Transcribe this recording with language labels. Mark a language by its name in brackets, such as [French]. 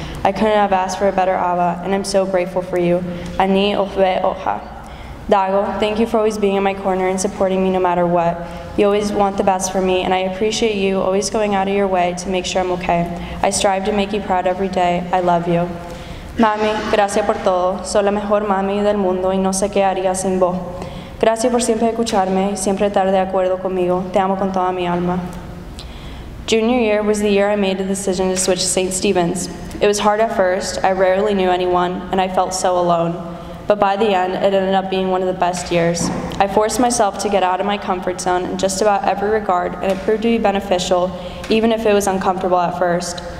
[English] I couldn't have asked for a better Abba, and I'm so grateful for you. [Hebrew] Ani ofve oha. [English] Dago, thank you for always being in my corner and supporting me no matter what. You always want the best for me, and I appreciate you always going out of your way to make sure I'm okay. I strive to make you proud every day. I love you. [Spanish] Mami, gracias por todo. Soy la mejor mami del mundo y no sé qué haría sin vos. Gracias por siempre escucharme y siempre estar de acuerdo conmigo. Te amo con toda mi alma. [English] Junior year was the year I made the decision to switch to St. Stephen's. It was hard at first, I rarely knew anyone, and I felt so alone. But by the end, it ended up being one of the best years. I forced myself to get out of my comfort zone in just about every regard, and it proved to be beneficial, even if it was uncomfortable at first.